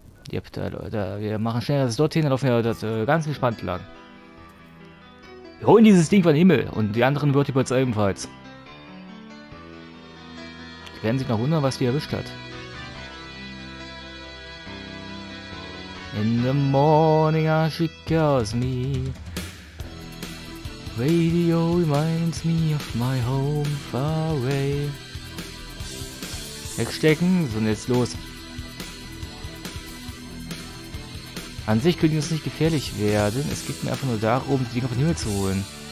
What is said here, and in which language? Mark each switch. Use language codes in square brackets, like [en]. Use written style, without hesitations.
[de] Ja, da, Leute, wir machen schnell das dorthin, dann laufen wir das ganz gespannt lang. Wir holen dieses Ding von Himmel und die anderen Vertibots ebenfalls. Die werden sich noch wundern, was die erwischt hat. [en] In the morning she calls me. Radio reminds me of my home far away. [de] Wegstecken, so und jetzt los. An sich könnte es nicht gefährlich werden. Es geht mir einfach nur darum, die Dinger von Himmel zu holen.